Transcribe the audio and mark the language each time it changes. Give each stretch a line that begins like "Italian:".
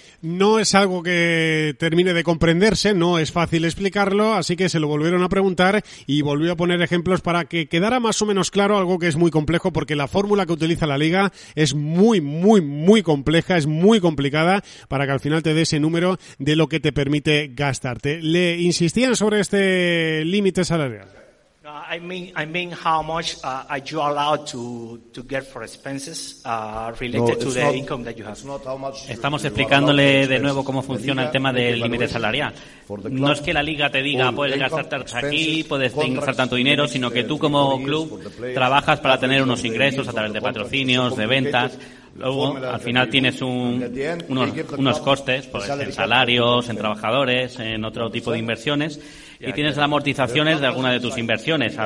Spanish: No es algo que termine de comprenderse, no es fácil explicarlo, así que se lo volvieron a preguntar y volvió a poner ejemplos para que quedara más o menos claro, algo que es muy complejo porque la fórmula que utiliza la Liga es muy, muy, muy compleja, es muy complicada para que al final te dé ese número de lo que te permite gastarte. Le insistían sobre este límite salarial.
English: I mean how much are you allowed to get for expenses related to the income that you have.
Spanish: Estamos explicándole de nuevo cómo funciona el tema del límite salarial. No es que la Liga te diga puedes gastarte aquí, puedes ingresar tanto dinero, sino que tú como club trabajas para tener unos ingresos a través de patrocinios, de ventas. Luego, al final tienes unos costes, pues, en salarios, en trabajadores, en otro tipo de inversiones, y tienes las amortizaciones de alguna de tus inversiones.